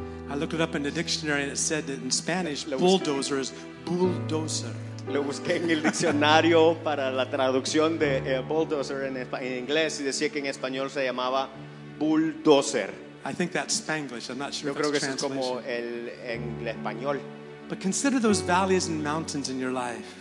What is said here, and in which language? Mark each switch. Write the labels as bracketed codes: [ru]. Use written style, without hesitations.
[en] I looked it up in the dictionary and it said that in Spanish bulldozer is bulldozer. [es] Lo busqué en el diccionario para la traducción de bulldozer en inglés y decía que en español se llamaba bulldozer. [en] I think that's Spanglish. I'm not sure. [es] Yo creo que eso es como el en español. [en] But consider those valleys and mountains in your life.